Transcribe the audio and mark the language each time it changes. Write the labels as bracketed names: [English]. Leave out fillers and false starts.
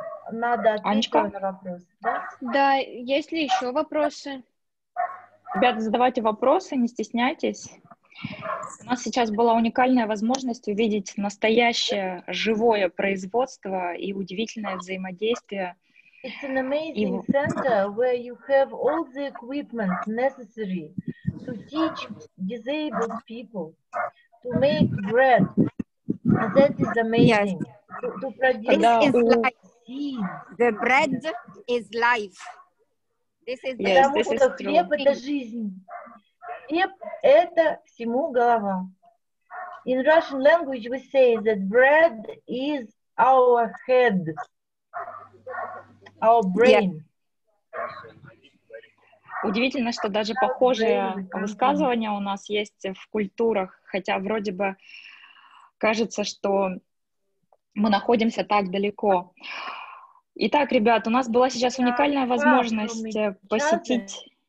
[Russian] Надо ответить на вопрос. Да? Да, есть ли еще вопросы? Ребята, задавайте вопросы, не стесняйтесь. У нас сейчас была уникальная возможность увидеть настоящее живое производство и удивительное взаимодействие. [English] It's an amazing center where you have all the equipment necessary to teach disabled people to make bread. That is amazing. Yes. To produce. This is life. The bread is life. This is the yes, [Russian] хлеб это жизнь. Хлеб это всему голова. [English] In Russian language we say that bread is our head. Our brain. Yeah. [Russian] Удивительно, что даже похожие высказывания у нас есть в культурах, хотя вроде бы кажется, что мы находимся так далеко. Итак, ребят, у нас была сейчас уникальная возможность посетить...